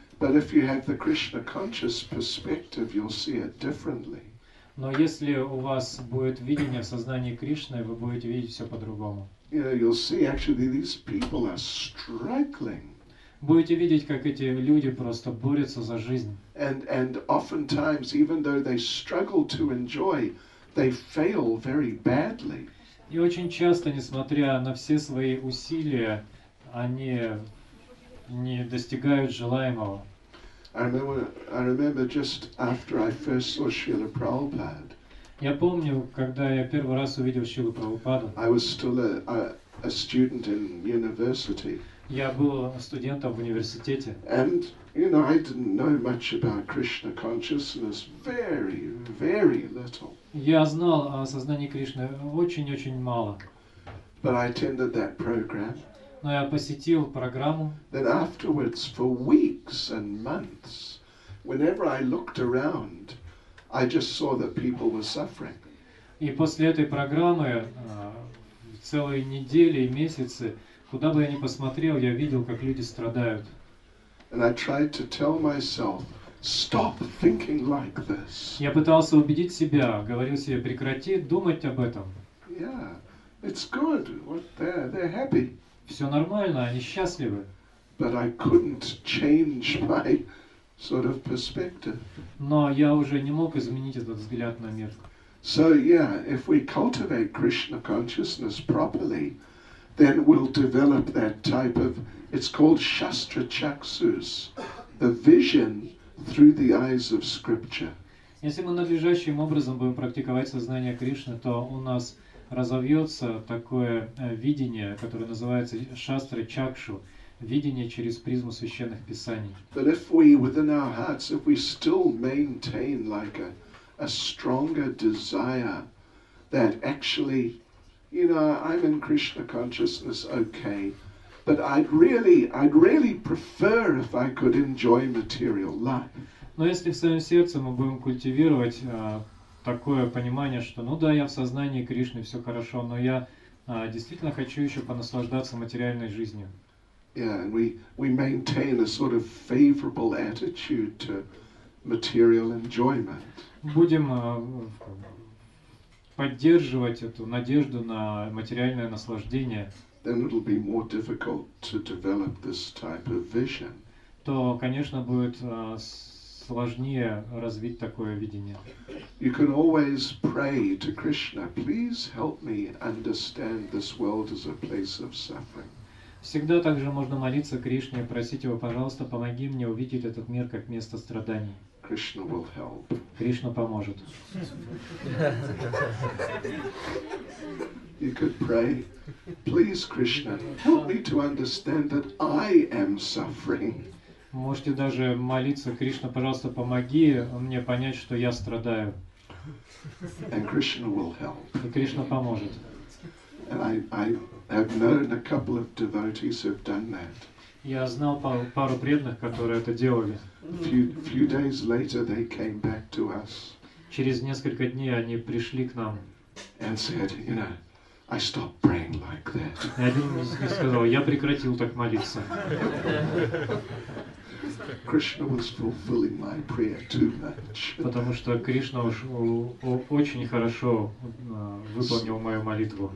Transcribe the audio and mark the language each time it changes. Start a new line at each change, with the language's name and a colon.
English: But if you have the Krishna conscious perspective, you'll see it differently.
Russian: Но если у вас будет видение в сознании Кришны, вы будете видеть все по-другому.
English: You know, you'll see actually these people are struggling.
Russian: Будете видеть, как эти люди просто борются за жизнь.
English: And oftentimes, even though they struggle to enjoy, they fail very badly.
Russian: И очень часто, несмотря на все свои усилия, они не достигают желаемого.
English: I remember just after I first saw Srila Prabhupada.
Russian: Я помню, когда я первый раз увидел Шрилу Прабхупаду.
English: I was still a student in university.
Russian: Я был студентом в университете.
English: And, you know, I didn't know much about Krishna consciousness, very, very little.
Russian: Я знал о сознании Кришны очень-очень мало.
English: But I attended that program.
Russian: Но я посетил программу.
English: Then afterwards, for weeks and months, whenever I looked around, I just saw that people were suffering.
Russian: И после этой программы целые недели и месяцы, куда бы я ни посмотрел, я видел, как люди страдают.
English: And I tried to tell myself, stop thinking like this.
Russian: Я пытался убедить себя, говорил себе, прекрати думать об этом.
English: Yeah, it's good. What, they're happy.
Russian: Все нормально, они счастливы.
English: But I couldn't change my sort of perspective.
Russian: Но я уже не мог изменить этот взгляд на мир.
English: So yeah, if we cultivate Krishna consciousness properly, then we'll develop that type of, it's called Shastra Chakshus, the vision through the eyes of scripture.
Russian: Если мы надлежащим образом будем практиковать сознание Кришны, то у нас разовьется такое видение, которое называется Шастра Чакшу. Видение через призму священных писаний.
English: But if we, within our hearts, if we still maintain like a stronger desire that actually, you know, I'm in Krishna consciousness, okay, but I'd really prefer if I could enjoy material life.
Russian: Но если в своем сердце мы будем культивировать такое понимание, что, ну да, я в сознании Кришны, все хорошо, но я действительно хочу еще понаслаждаться материальной жизнью.
English: Yeah, and we maintain a sort of favorable attitude to material enjoyment.
Russian: Будем поддерживать эту надежду на материальное наслаждение.
English: Then it'll be more difficult to develop this type of vision.
Russian: То, конечно, будет сложнее развить такое видение.
English: You can always pray to Krishna, please help me understand this world as a place of suffering.
Russian: Всегда также можно молиться Кришне и просить его, пожалуйста, помоги мне увидеть этот мир как место страданий.
English: Krishna will help.
Russian: Кришна поможет.
English: You could pray, please, Krishna, help me to understand that I am suffering.
Russian: Можете даже молиться, Кришна, пожалуйста, помоги мне понять, что я страдаю.
English: And Krishna will help.
Russian: И Кришна поможет.
English: And I have known a couple of devotees who have done that.
Russian: Я знал пару преданных, которые это делали.
English: Few days later, they came back to us.
Russian: Через несколько дней они пришли к нам.
English: And said, you know, I stopped praying like that.
Russian: И один из них сказал, я прекратил так молиться.
English: Krishna was fulfilling my prayer too much.
Russian: Потому что Кришна уж очень хорошо выполнил мою молитву.